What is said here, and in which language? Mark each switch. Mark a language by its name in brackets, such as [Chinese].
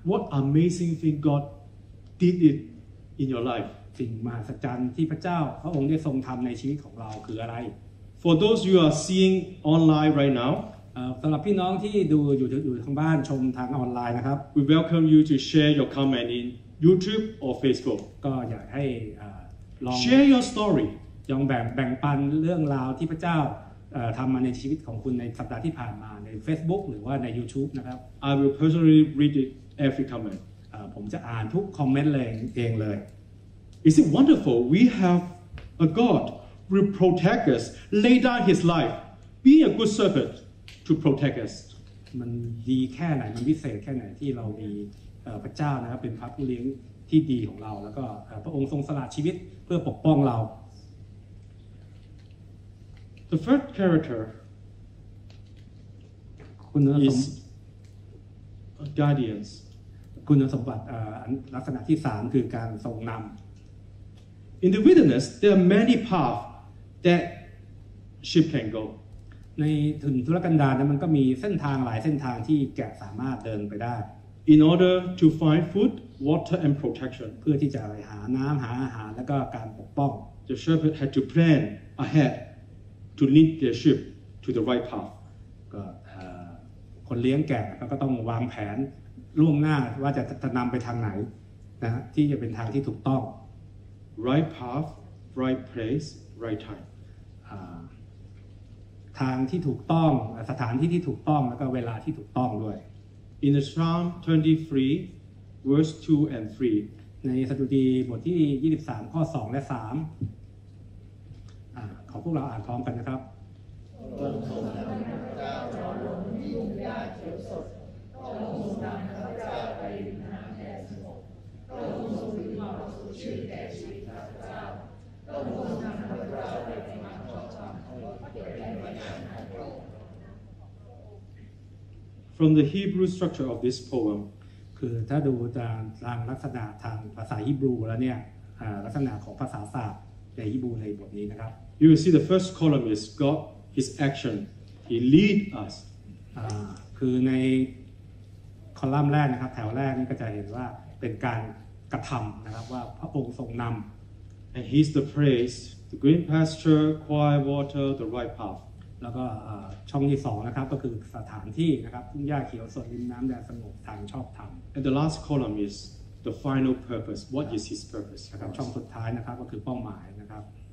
[English] What amazing thing God did it in your life [Thai] สิ่งมหัศจรรย์ที่พระเจ้าพระองค์ได้ทรงทำในชีวิตของเราคืออะไร [English] For those you are seeing online right now [Thai] สำหรับพี่น้องที่ดูอยู่ทางบ้านชมทางออนไลน์นะครับ [English] We welcome you to share your comment in YouTube or Facebook [Thai] ก็อยากให้ลอง [English] Share your story [Thai] ลองแบ่งปันเรื่องราวที่พระเจ้าทำมาในชีวิตของคุณในสัปดาห์ที่ผ่านมาใน Facebook หรือว่าใน YouTube นะครับ [English] I will personally read it every comment [Thai] ผมจะอ่านทุกคอมเมนต์เองเลย [English] Is it wonderful we have a God who protect us lay down his life be a good servant to protect us [Thai] มันดีแค่ไหนมันวิเศษแค่ไหนที่เรามีพระเจ้านะครับเป็นพระผู้เลี้ยงที่ดีของเราแล้วก็พระองค์ทรงสละชีวิตเพื่อปกป้องเรา [English] The first character is guardians. [Thai] คุณสมบัติลักษณะที่3คือการทรงนำ [English] In the wilderness, there are many paths that sheep can go. [Thai] ในถิ่นทุรกันดารนั้นมันก็มีเส้นทางหลายเส้นทางที่แกะสามารถเดินไปได้ [English] In order to find food, water, and protection. [Thai] เพื่อที่จะหาน้ำหาอาหารแล้วก็การปกป้อง [English] The shepherd had to plan ahead. To lead their sheep to the right path. [Thai] ก็คนเลี้ยงแกะก็ต้องวางแผนล่วงหน้าว่าจะนำไปทางไหนนะที่จะเป็นทางที่ถูกต้อง [English] Right path, right place, right time. [Thai] ทางที่ถูกต้องสถานที่ที่ถูกต้องแล้วก็เวลาที่ถูกต้องด้วย [English] In the Psalm 23, verse 2 and 3. [Thai] ในสดุดีบทที่23ข้อ2และ3ขอพวกเราอ่านพร้อมกันนะครับ พระองค์ทรงนำข้าพเจ้าจากหลุมที่ยุ่งยากเขียวสดพระองค์ทรงนำข้าพเจ้าไปถึงน้ำแห่งสงบพระองค์ทรงดึงเราสู่ชื่นแก่ชีวิตข้าพเจ้าพระองค์ทรงนำข้าพเจ้าไปถึงมหาชนของพระองค์เกิดแก่วิญญาณของพระองค์ [English] From the Hebrew structure of this poem [Thai] คือถ้าดูตามลักษณะทางภาษาฮีบรูแล้วเนี่ยลักษณะของภาษาศาสตร์ในฮีบรูในบทนี้นะครับ [English] You will see the first column is God, His action. He lead us. [Thai] คือในคอลัมน์แรกนะครับแถวแรกนี่ก็จะเห็นว่าเป็นการกระทำนะครับว่าพระองค์ทรงนำ [English] And He's the praise, the green pasture, quiet water, the right path. [Thai] แล้วก็ช่องที่สองนะครับก็คือสถานที่นะครับทุ่งหญ้าเขียวสดริมน้ำแดดสงบทางชอบธรรม [English] And the last column is the final purpose. What is His purpose? [Thai] นะครับช่องสุดท้ายนะครับก็คือเป้าหมายนะครับ